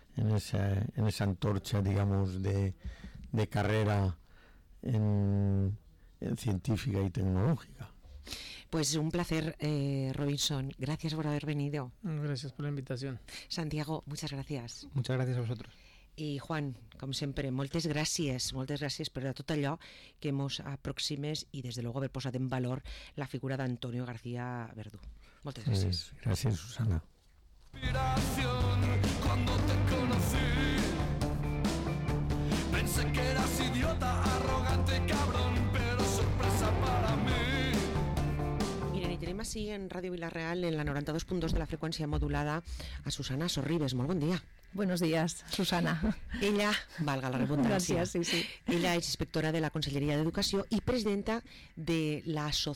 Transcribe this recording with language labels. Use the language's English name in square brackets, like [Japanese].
[Spanish] En esa antorcha, digamos, de carrera en científica y tecnológica. Pues un placer, Robinson. Gracias por haber venido. Gracias por la invitación. Santiago, muchas gracias. Muchas gracias a vosotros. [Catalan] I Juan, com sempre, moltes gràcies per tot allò que mos aproximes i des de luego haver posat en valor la figura d'Antonio García Verdú. Moltes gràcies. Sí, gràcies, Susana. [Spanish] Inspiración cuando te conocí. Pensé que eras idiota, arrogante, cabrón, pero sorpresa para mí. [Catalan] Irene, tenim així en Ràdio Vila-real en la 92.2 de la freqüència modulada a Susana Sorribes. Molt bon dia. [Spanish] Buenos días, Susana. Ella, valga la redundancia. Gracias, sí. Ella es inspectora de la Conselleria d'Educació i presidenta de la Associació